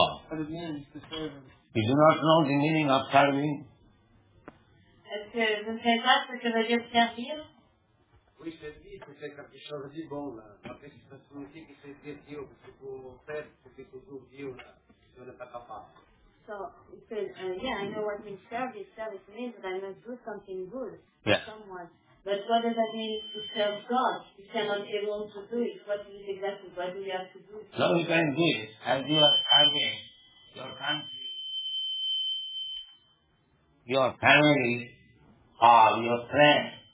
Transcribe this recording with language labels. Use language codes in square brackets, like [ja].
[en] You do not know the meaning of serving? [fr] Est-ce que vous ne savez pas ce que veut dire servir? Oui, oui, je te dis, c'est quelque chose de bon, là. Après, c'est parce que c'est Dieu, c'est pour faire, c'est pour Dieu, là. Je ne peux pas faire. [en] So, he said, yeah, I know what means service. Service means that I'm going to do something good for yeah. someone. But what does that mean to serve God? You cannot be able to do it. What is it exactly? What do you have to do? So you can do it as you are serving your country, your family, or your friend.